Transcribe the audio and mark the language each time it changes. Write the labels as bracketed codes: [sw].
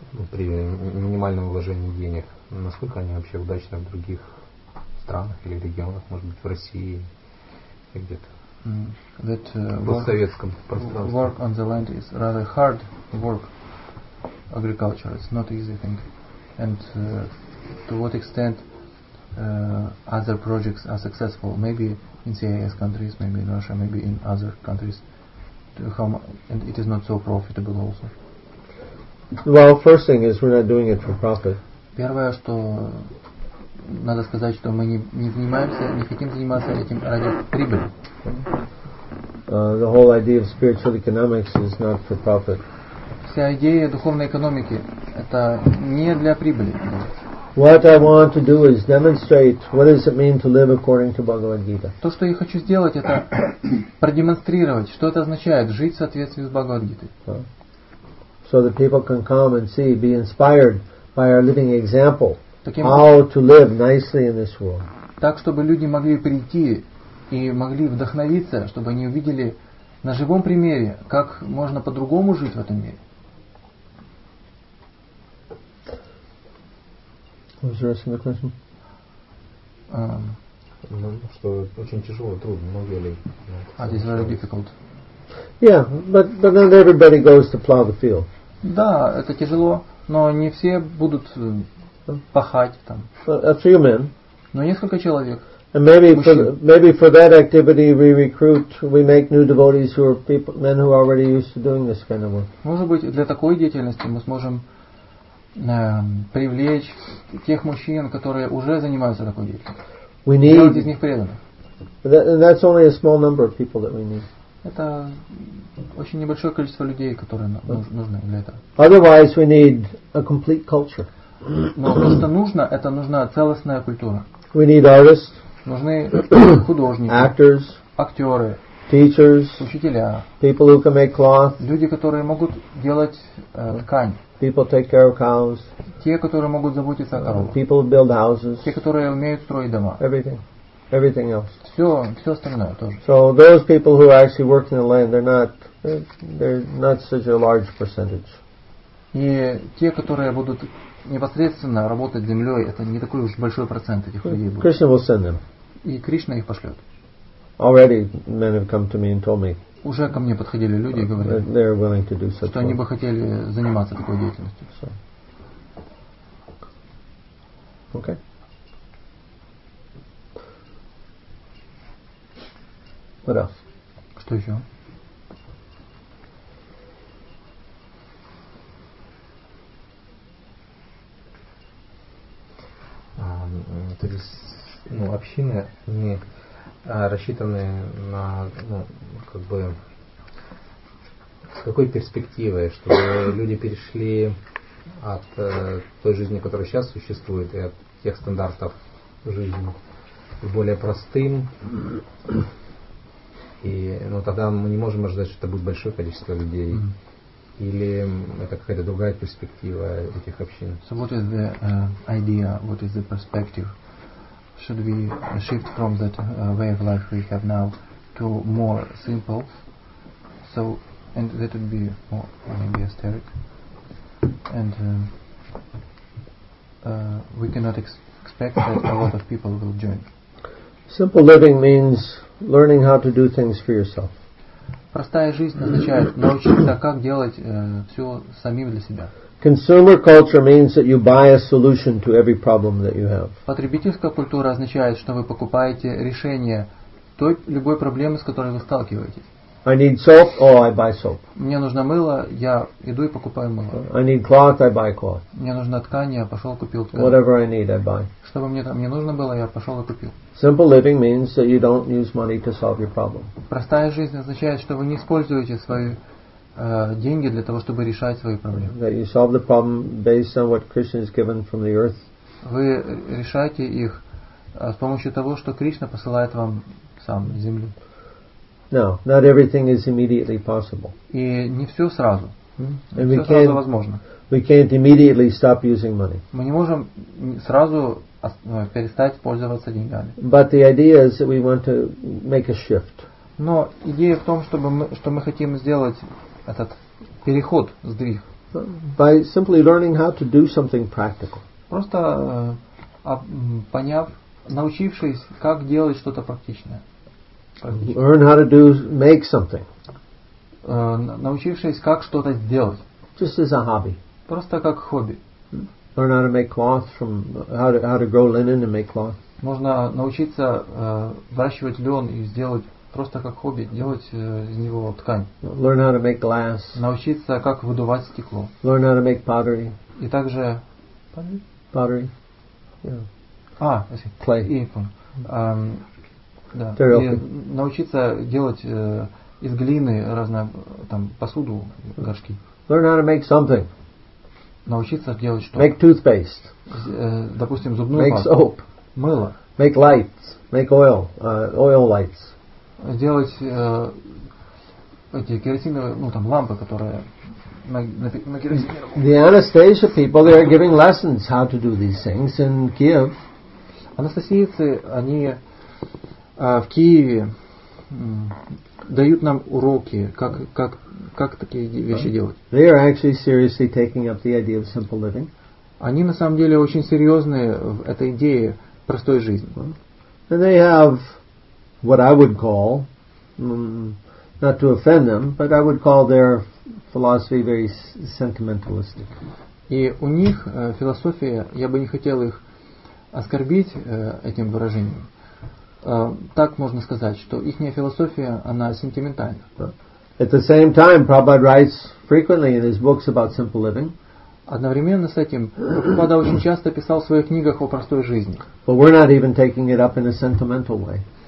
[ru] При минимальном вложении денег, насколько они вообще удачны в других странах или регионах, может быть, в России или где-то в постсоветском пространстве. [en] Work on the land is rather hard work. Agriculture is not easy thing. And to what extent other projects are successful? Maybe in CIS countries, maybe in Russia, maybe in other countries. And it is not so profitable also. Well, first thing is we're not doing it for profit. [ru] Первое, что надо сказать, что мы не занимаемся, не хотим заниматься этим ради прибыли. [en] The whole idea of spiritual economics is not for profit. [ru] Вся идея духовной экономики это не для прибыли. [en] What I want to do is demonstrate what does it mean to live according to Bhagavad Gita. [ru] То, что я хочу сделать, это продемонстрировать, что это означает жить в соответствии с Бхагавад Гитой. [en] So that people can come and see, be inspired by our living example, how to live nicely in this world. [ru] Так, чтобы люди могли прийти и могли вдохновиться, чтобы они увидели на живом примере, как можно по-другому жить в этом мире. [en] Was there a similar question? [ru] Что очень тяжело, трудно, многие ли. [en] It is very difficult. Yeah, but not everybody goes to plow the field. [ru] Да, это тяжело, но не все будут пахать там. [en] A few men. [ru] Но несколько человек. [en] And maybe for that activity we recruit, we make new devotees who are people, men who are already used to doing this kind of work. [ru] Может быть, для такой деятельности мы сможем привлечь тех мужчин, которые уже занимаются такой деятельностью. [en] We need. [ru] Делать из них преданных. [en] That's only a small number of people that we need. [ru] Это очень небольшое количество людей, которые нужны для этого. [en] Otherwise, we need a complete culture. [ru] Но то, что нужно, это нужна целостная культура. [en] We need artists. [ru] Нужны художники. [en] Actors. [ru] Актеры. [en] Teachers. [ru] Учителя. [en] People who can make cloth. [ru] Люди, которые могут делать ткань. [en] People take care of cows. [ru] Те, которые могут заботиться о коровах. [en] People build houses. [ru] Те, которые умеют строить дома. [en] Everything. Everything else. [ru] Все остальное тоже. [en] So those people who actually work in the land, they're not such a large percentage. [ru] И те, которые будут непосредственно работать землей, это не такой уж большой процент этих людей будет. [en] Krishna will send them. [ru] И Кришна их пошлет. [en] Already men have come to me and told me. [ru] Уже ко мне подходили люди и говорили. [en] They're willing to do such. [ru] Что они бы хотели заниматься такой деятельностью. [en] So. Okay. What else? [ru] Что еще? То есть, ну, общины не рассчитаны на, ну, как бы, с какой перспективой, чтобы люди перешли от той жизни, которая сейчас существует, и от тех стандартов жизни, более простым, и ну, тогда мы не можем ожидать, что это будет большое количество людей. Или это какая-то другая перспектива этих общин. [en] So what is the idea, what is the perspective? Should we shift from that way of life we have now to more simple? So, and that would be more maybe aesthetic. And we cannot expect that a lot of people will join. Simple living means learning how to do things for yourself. [ru] Простая жизнь означает научиться, как делать все самим для себя. [en] Consumer culture means that you buy a solution to every problem that you have. [ru] Потребительская культура означает, что вы покупаете решение той любой проблемы, с которой вы сталкиваетесь. [en] I need soap, oh, I buy soap. [ru] Мне нужно мыло, я иду и покупаю мыло. [en] I need cloth, I buy cloth. [ru] Мне нужна ткань, я пошел купил ткань. [en] Whatever I need, I buy. [ru] Что бы мне там не нужно было, я пошел и купил. [en] Simple living means that you don't use money to solve your problem. [ru] Простая жизнь означает, что вы не используете свои деньги для того, чтобы решать свои проблемы. [en] That you solve the problem based on what Krishna has given from the earth. [ru] Вы решаете их с помощью того, что Кришна посылает вам сам с земли. [en] No, not everything is immediately possible. [ru] И не все сразу. Не все сразу возможно. [en] We can't immediately stop using money. [ru] Мы не можем сразу перестать пользоваться деньгами. [en] But the idea is that we want to make a shift. [ru] Но идея в том, что мы хотим сделать этот переход, сдвиг. [en] By simply learning how to do something practical. [ru] Просто поняв, научившись, как делать что-то практичное. [en] Learn how to do make something. [ru] Научившись, как что-то сделать. [en] Just as a hobby. [ru] Просто как хобби. [en] Learn how to make cloth from how to grow linen and make cloth. [ru] Можно научиться выращивать лен и сделать просто как хобби делать из него ткань. [en] Learn how to make glass. [ru] Научиться как выдувать стекло. [en] Learn how to make pottery. [ru] И также [en] pottery. Yeah. [ru] А, извините. [en] Clay. [ru] И да. И научиться делать из глины разную там посуду, горшки. [en] Learn how to make something. [ru] Научиться делать что? [en] Make toothpaste. [ru] Допустим, зубную [en] make [ru] пасту. [en] Make soap. [ru] Мыло. [en] Make lights. Make oil. Oil lights. [ru] Сделать эти керосиновые, ну там, лампы, которые на керосине. [en] The Anastasia people, they are giving lessons how to do these things in Kiev. [ru] Анастасийцы, они в Киеве дают нам уроки, как такие вещи делать. [en] They are actually seriously taking up the idea of simple living. [ru] Они на самом деле очень серьезны в этой идее простой жизни. [en] And they have what I would call, not to offend them, but I would call their philosophy very sentimentalistic. [ru] И у них философия, я бы не хотел их оскорбить этим выражением. Так можно сказать, что ихняя философия, она сентиментальна. [en] At the same time, Prabhupada writes frequently in his books about simple living. [ru] Одновременно с этим Прабхупада очень часто писал в своих книгах о простой жизни. [en] But we're not even taking it up in a sentimental way.